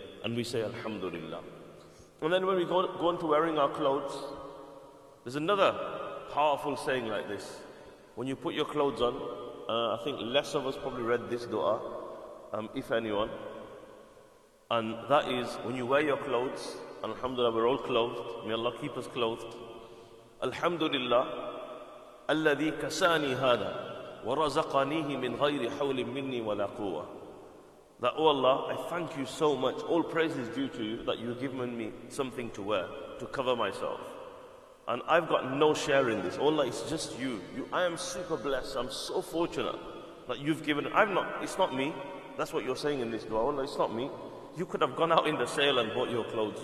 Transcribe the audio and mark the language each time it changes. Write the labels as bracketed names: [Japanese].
[English] And we say Alhamdulillah. And then when we go on to wearing our clothes, there's another powerful saying like this. When you put your clothes on, I think less of us probably read this dua, if anyone. And that is, when you wear your clothes, and Alhamdulillah, we're all clothed, may Allah keep us clothed. [Arabic] Alhamdulillah, الَّذِي كَسَانِي هَذَا وَرَزَقَنِيهِ مِنْ غَيْرِ حَوْلٍ مِنِّي وَلَا قُوَّةٍ. [English] That, oh Allah, I thank you so much. All praise is due to you that you've given me something to wear, to cover myself. And I've got no share in this. Oh Allah, it's just you. I am super blessed. I'm so fortunate that you've given. It's not me. That's what you're saying in this dua. Oh Allah, it's not me. You could have gone out in the sale and bought your clothes.